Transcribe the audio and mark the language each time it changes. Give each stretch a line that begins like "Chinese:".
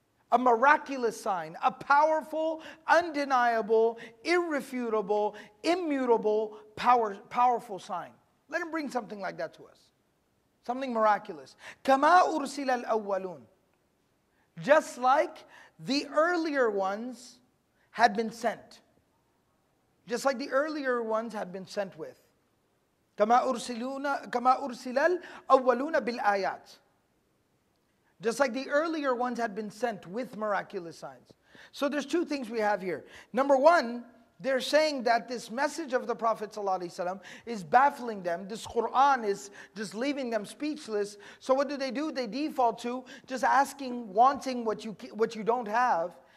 English: A miraculous sign, a powerful, undeniable, irrefutable, immutable, powerful sign. Let him bring something like that to us. Something miraculous.
Arabic: كما أرسل الأولون.
English: Just like the earlier ones had been sent. Just like the earlier ones had been sent with.
Arabic: كما أرسل الأولون بالآيات.
English: Just like the earlier ones had been sent with miraculous signs. So there's two things we have here. Number one, they're saying that this message of the Prophet ﷺ is baffling them. This Quran is just leaving them speechless. So what do? They default to just asking, wanting what you don't have.